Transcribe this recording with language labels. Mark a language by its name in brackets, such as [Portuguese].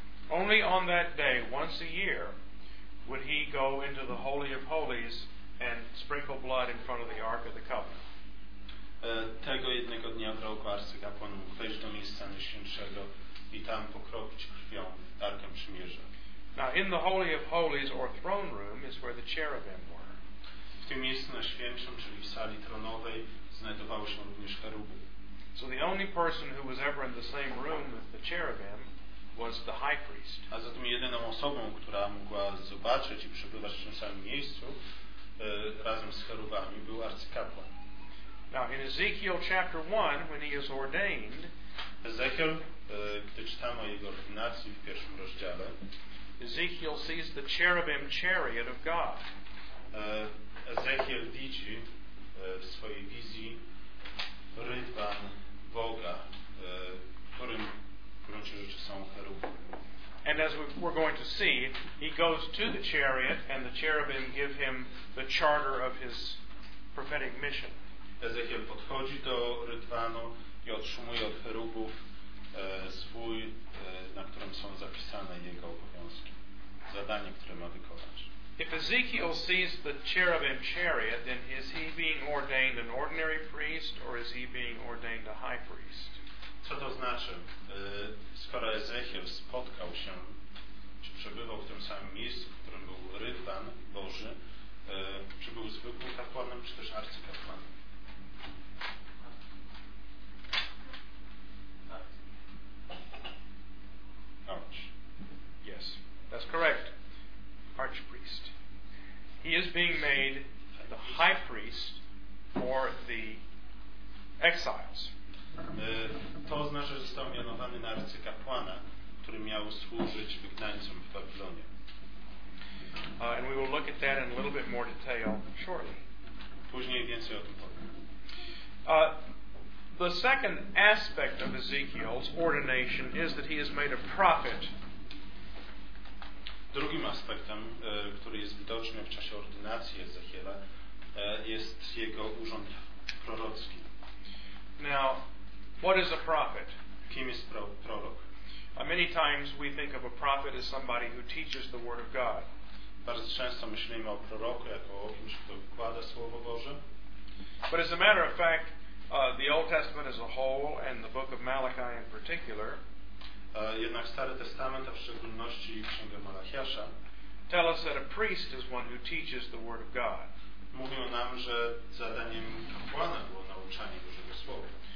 [English] Only on that day, once a year, would he go into the Holy of Holies and sprinkle blood in front of the Ark of the Covenant. [Polish] tego jednego dnia proroku arcykapłan mógł wejść do miejsca najświętszego i tam pokropić krwią Arkę Przymierza. [English] Now in the Holy of Holies or throne room is where the cherubim were. [Polish] W tym miejscu najświętszym, czyli w sali tronowej, znajdowały się również cheruby. [English] So the only person who was ever in the same room with the cherubim was the high priest. [Polish] A zatem jedyną osobą, która mogła zobaczyć i przebywać w tym samym miejscu razem z cherubami, był arcykapłan. [English] Now in Ezekiel chapter 1, when he is ordained, [Polish] Ezekiel, gdy czytamy o jego ordynacji w pierwszym rozdziale, [English] Ezekiel sees the cherubim chariot of God. [Polish] Ezekiel widzi w swojej wizji rydwan Boga, którym w gruncie rzeczy są cheruby. [English] And as we're going to see, he goes to the chariot and the cherubim give him the charter of his prophetic mission. [Polish] Ezekiel podchodzi do rydwanu i otrzymuje od cherubów zwój, na którym są zapisane jego obowiązki, zadanie, które ma wykonać. [English] If Ezekiel sees the cherubim chariot, then is he being ordained an ordinary priest or is he being ordained a high priest? [Polish] Co to znaczy? Skoro Ezekiel spotkał się, czy przebywał w tym samym miejscu, w którym był rydwan Boży, czy był zwykłym kapłanem, czy też arcykapłanem? [English] Yes, that's correct. Archpriest. He is being made the high priest for the exiles. [Polish] To oznacza, że został mianowany na arcykapłana, który miał służyć wygnańcom w Babilonie. [English] And we will look at that in a little bit more detail shortly. [Polish] Później więcej o tym powiem. [English] The second aspect of Ezekiel's ordination is that he is made a prophet. [Polish] Drugim aspektem, który jest widoczny w czasie ordynacji Ezechiela, jest jego urząd prorocki. [English] Now, what is a prophet? [Polish] Kim jest prorok? [English] Many times we think of a prophet as somebody who teaches the word of God. [Polish] Bardzo często myślimy o proroku jako o kimś, kto wykłada słowo Boże. [English] But as a matter of fact, the Old Testament as a whole and the book of Malachi in particular, [Polish] jednak Stary Testament, a w szczególności Księga Malachiasza, [English] tell us that a priest is one who teaches the word of God. [Polish] Mówią nam, że zadaniem kapłana było nauczanie Bożego słowa.